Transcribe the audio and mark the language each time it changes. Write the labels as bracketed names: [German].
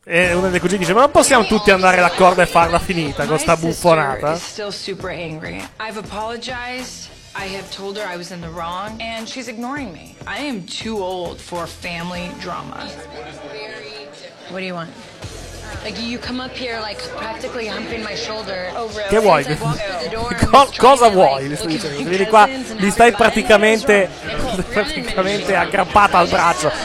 [Italian] E uno dei cugini dice: ma non possiamo tutti andare d'accordo e farla finita con sta buffonata? [English] Still super angry. I've apologized. I have told her I was in the wrong, and she's ignoring me. I am too old for family drama. What do you want? Like you come up here like practically humping my shoulder. [Italian] Che vuoi? Cosa vuoi? Vieni qua, mi stai praticamente aggrappata al braccio.